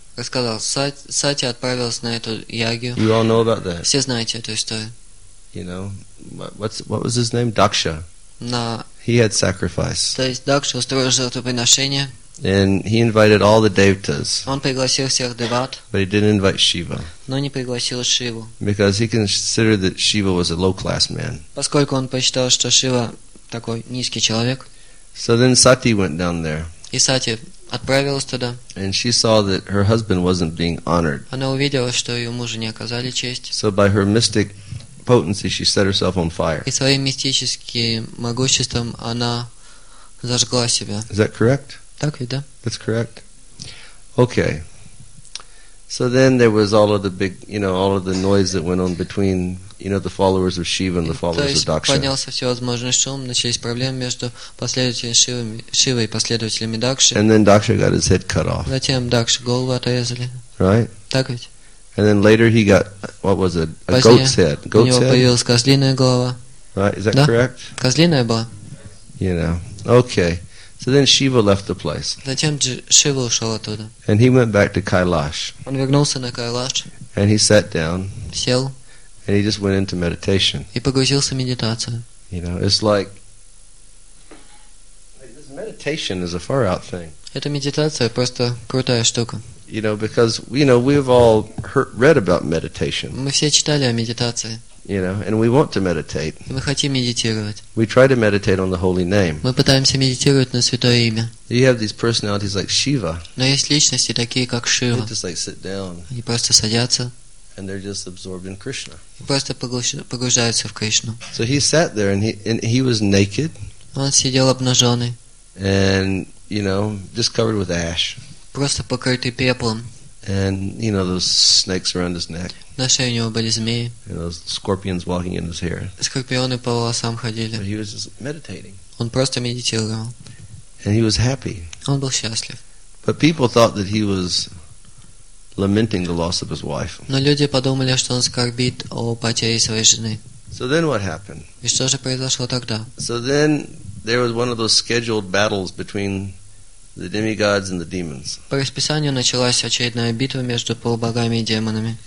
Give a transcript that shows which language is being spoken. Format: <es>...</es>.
<ru>Рассказал, Сати отправился на эту ягью.</ru> <en>You all know about that.</en> <ru>Все знаете эту историю.</ru> <en>You know, what was his name?</en> <ru>Дакша. На.</ru> <en>He had sacrifice.</en> <ru>То есть Дакша устроил жертвоприношение.</ru> <en>And he invited all the devtas.</en> <ru>Он пригласил всех деват.</ru> <en>But he didn't invite Shiva.</en> <ru>Но не пригласил Шиву.</ru> <en>Because he considered that Shiva was a low class man.</en> <ru>Поскольку он посчитал, что Шива такой низкий человек.</ru> <en>So then Sati went down there.</en> <ru>И Сати отправилась туда.</ru> <en>And she saw that her husband wasn't being honored.</en> <ru>Она увидела, что ее мужа не оказали честь.</ru> <en>So by her mystic potency, she set herself on fire.</en> <ru>И своим мистическим могуществом она зажгла себя.</ru> <en>Is that correct?</en> <ru>Так ведь, да?</ru> <en>That's correct. Okay. So then there was all of the big, you know, all of the noise that went on between, you know, the followers of Shiva and the followers of Daksha.</en> <ru>То есть поднялся всевозможный шум, начались проблемы между последователями Шивы и последователями Дакши.</ru> <en>And then Daksha got his head cut off.</en> <ru>Затем Дакши голову отрезали.</ru> <en>Right?</en> <ru>Так ведь.</ru> <en>And then later he got, what was it?</en> <ru>A позднее</ru> <en>goat's head. Goat's</en> <ru>у него</ru> <en>head?</en> <ru>Появилась козлиная голова.</ru> <en>Right? Is that</en> <ru>да?</ru> <en>Correct?</en> <ru>Козлиная была.</ru> <en>You know. Okay. So then Shiva left the place.</en> <ru>Затем Шива ушел оттуда.</ru> <en>And he went back to Kailash.</en> <ru>Он вернулся на Кайлаш.</ru> <en>And he sat down.</en> <ru>Сел.</ru> <en>And he just went into meditation.</en> <ru>И погрузился в медитацию.</ru> <en>You know, it's like this meditation is a far out thing.</en> <ru>Эта медитация просто крутая штука.</ru> <en>You know, because we've all read about meditation.</en> <ru>Мы все читали о медитации.</ru> <en>You know, and we want to meditate.</en> <ru>Мы хотим медитировать.</ru> <en>We try to meditate on the holy name.</en> <ru>Мы пытаемся медитировать на святое имя.</ru> <en>You have these personalities like Shiva.</en> <ru>Но есть личности такие как Шива.</ru> <en>They just like sit down.</en> <ru>Они просто садятся.</ru> <en>And they're just absorbed in Krishna.</en> <ru>И просто погружаются в Кришну.</ru> <en>So he sat there and he was naked.</en> <ru>Он сидел обнаженный.</ru> <en>And you know, just covered with ash.</en> <ru>Просто покрытый пеплом.</ru> <en>And you know those snakes around his neck.</en> <ru>На шее у него были змеи.</ru> <en>And those scorpions walking in his hair.</en> <ru>Скорпионы по волосам ходили.</ru> <en>But he was just meditating.</en> <ru>Он просто медитировал.</ru> <en>And he was happy.</en> <ru>Он был счастлив.</ru> <en>But people thought that he was lamenting the loss of his wife.</en> <ru>Но люди подумали, что он скорбит о потере своей жены.</ru> <en>So then what happened?</en> <ru>И что же произошло тогда?</ru> <en>So then there was one of those scheduled battles between the demigods and the demons.</en> <ru>По расписанию началась очередная битва между полубогами и демонами.</ru>